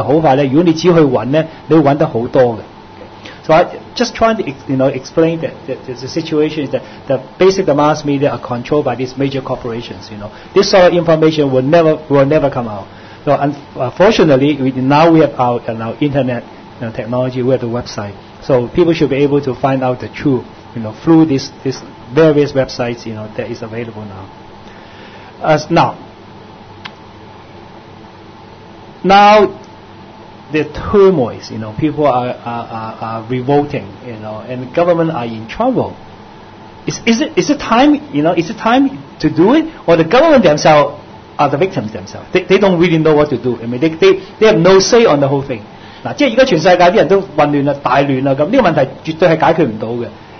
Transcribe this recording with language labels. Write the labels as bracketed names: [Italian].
[Chinese] 幸好我們現時的互聯網科技是將這些問題、這些事實我們很快如果你只去找你會找得很多的。 [English] So I just trying to explain that the situation is that the basic mass media are controlled by these major corporations, you know. This sort of information will never come out. So unfortunately, now we have our internet technology, we have the website. So people should be able to find out the truth, you know, through this various websites, you know, that is available now. Now the turmoil, you know, people are revolting, you know, and the government are in trouble. Is it time to do it? Or the government themselves are the victims themselves? They don't really know what to do. I mean, they have no say on the whole thing. [Chinese] 即是现在全世界的人都混乱了,大乱了,这个问题绝对是解决不了的。